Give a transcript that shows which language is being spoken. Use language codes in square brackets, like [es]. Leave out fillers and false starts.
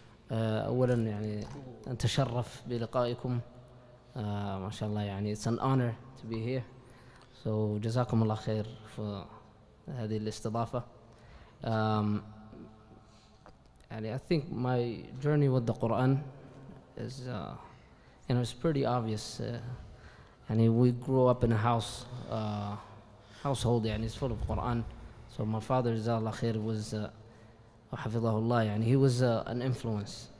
[ar] Awalan, يعني, أن تشرف بلقائكم. [en] MashaAllah, يعني, it's an honor to be here. [ar] So, جزاكم الله خير for هذه الاستضافة. [en] And I think my journey with the Quran is, you know, it's pretty obvious. And we grew up in a house, household, and it's full of Quran. So my father, Jazallah Khair, was, Hafidhahullah, and he was an influence.